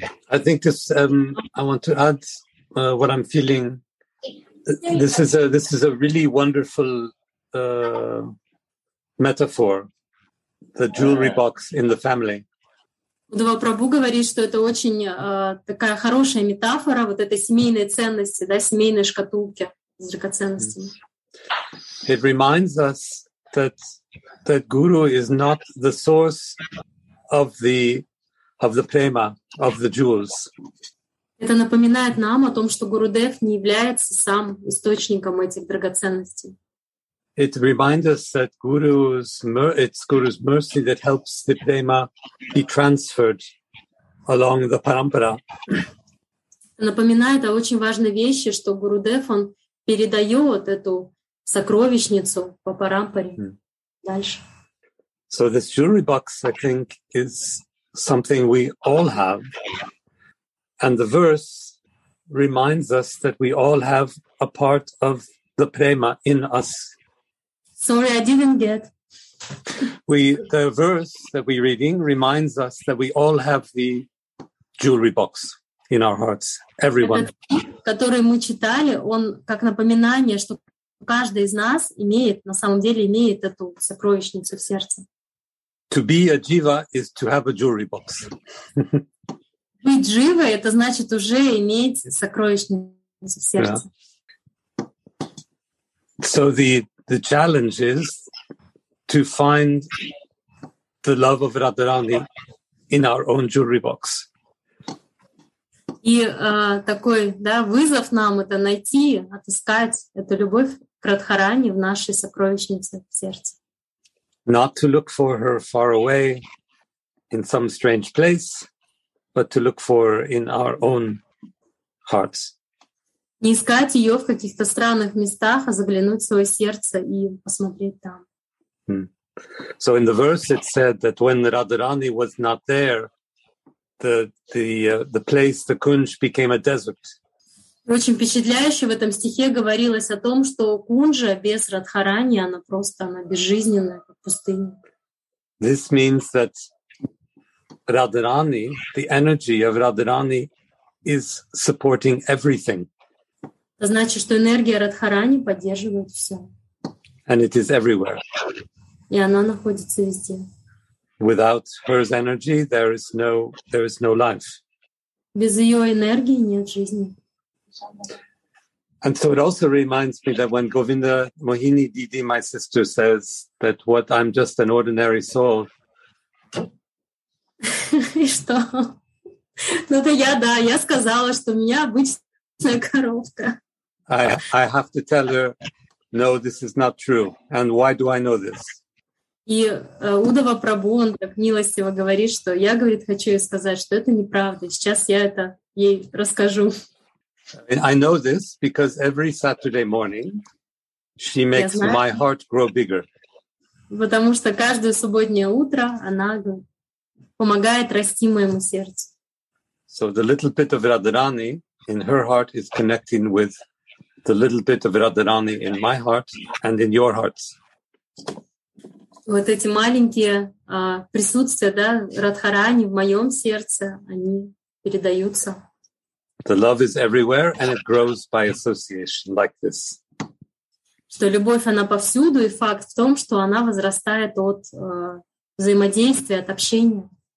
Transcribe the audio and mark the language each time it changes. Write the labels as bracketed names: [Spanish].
[English] I think this I want to add what I'm feeling. This is a really wonderful metaphor, the jewelry box in the family. [Russian] Удва Прабу говорит, что это очень такая хорошая метафора вот этой семейной ценности, да, семейной шкатулки с драгоценностями. [English] It reminds us that guru is not the source of the prema, of the jewels. [Russian] Это напоминает нам о том, что Гурудев не является сам источником этих драгоценностей. [English] It reminds us that it's Guru's mercy that helps the prema be transferred along the parampara. [Russian] Напоминает о очень важной вещи, что Гурудев, он передает эту сокровищницу по парампаре дальше. [English] So this jewelry box, I think, is something we all have. And the verse reminds us that we all have a part of the prema in us. Sorry, I didn't get. The verse that we're reading reminds us that we all have the jewelry box in our hearts, everyone. [Russian] Который мы читали, он как напоминание, что каждый из нас имеет, на самом деле имеет эту сокровищницу в сердце. [English] To be a jiva is to have a jewelry box. [Russian] Быть живой — это значит уже иметь сокровищницу в сердце. [English] So the challenge is to find the love of Radharani in our own jewelry box. [Russian] И такой, да, вызов нам — это найти, отыскать эту любовь к Радхарани в нашей сокровищнице в сердце. [English] Not to look for her far away in some strange place, but to look for her in our own hearts. [Russian] Не искать ее в каких-то странных местах, а заглянуть в свое сердце и посмотреть там. [English] So in the verse it said that when Radharani was not there, the place, the kunj, became a desert. [Russian] Очень впечатляюще в этом стихе говорилось о том, что кунжа без Радхарани, она просто, она безжизненная, как пустыня. [English] This means that Radharani, the energy of Radharani, is supporting everything. [Russian] Это значит, что энергия Радхарани поддерживает все. [English] And it is everywhere. [Russian] И она находится везде. [English] Without her energy, there is no life. [Russian] Без ее энергии нет жизни. [English] And so it also reminds me that when Govinda Mohini Didi, my sister, says that what I'm just an ordinary soul. [Russian] И что? Ну то я да, я сказала, что у меня обычная коробка. [English] I have to tell her, no, this is not true. And why do I know this? [Russian] И Удава Прабу, он так милостиво говорит, что я, говорит, хочу ей сказать, что это неправда. Сейчас я это ей расскажу. [English] I know this because every Saturday morning she makes my heart grow bigger. [Russian] Потому что каждое субботнее утро она помогает расти моему сердцу. [English] So the little bit of Radharani in her heart is connecting with the little bit of Radharani in my heart and in your hearts. [Russian] Вот эти маленькие присутствия, да, Радхарани в моем сердце, они передаются. [English] The love is everywhere and it grows by association like this. [Russian] Что любовь она повсюду и факт в том, что она возрастает от взаимодействия, от общения.